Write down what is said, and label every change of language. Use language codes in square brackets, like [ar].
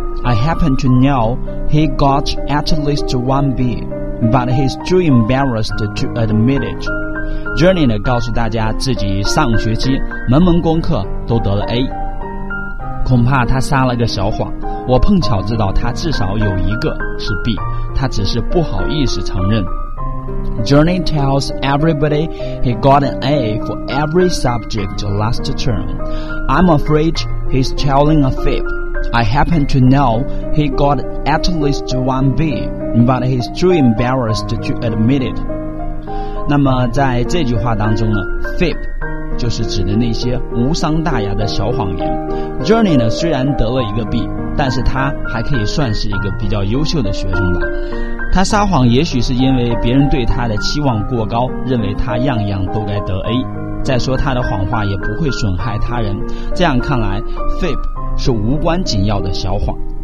[en] I happen to know he got at least one B, but he's too embarrassed to admit it. [zh] Johnny 呢告诉大家自己上学期门门功课都得了 A， 恐怕他撒了个小谎，我碰巧知道他至少有一个是 B， 他只是不好意思承认。 [en] Johnny tells everybody he got an A for every subject last term. I'm afraid he's telling a fib. I happen to know he got at least one B, but he's too embarrassed to admit it. [zh] 那么在这句话当中呢， fib 就是指的那些无伤大雅的小谎言。 Johnny 呢虽然得了一个 B， 但是他还可以算是一个比较优秀的学生吧。他撒谎也许是因为别人对他的期望过高，认为他样样都该得 A， 再说他的谎话也不会损害他人，这样看来 fib 是无关紧要的小谎。